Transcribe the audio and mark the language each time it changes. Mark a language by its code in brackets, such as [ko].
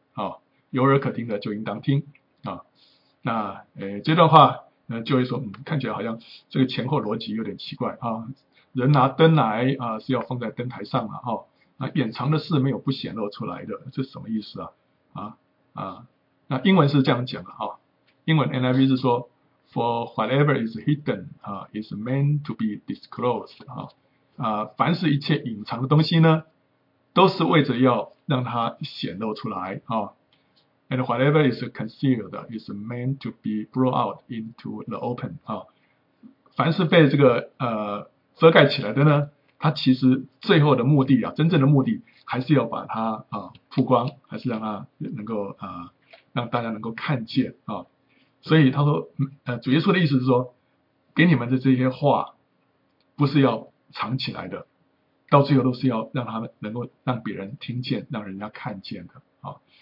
[zh] 啊，有耳可听的就应当听啊。那这段话，就会说，看起来好像这个前后逻辑有点奇怪啊。人拿灯来啊，是要放在灯台上嘛，哈。那掩藏的事没有不显露出来的，这是什么意思啊？那英文是这样讲的哈。英文 NIV 是说。 [en] For whatever is hidden, is meant to be disclosed. [zh] 凡是一切隐藏的东西呢，都是为着要让它显露出来。 [en] And whatever is concealed is meant to be brought out into the open. [zh] 凡是被这个遮盖起来的呢，它其实最后的目的啊，真正的目的还是要把它曝光，还是让它能够让大家能够看见啊。所以他说，主耶稣的意思是说，给你们的这些话，不是要藏起来的，到最后都是要让他们能够让别人听见，让人家看见的啊。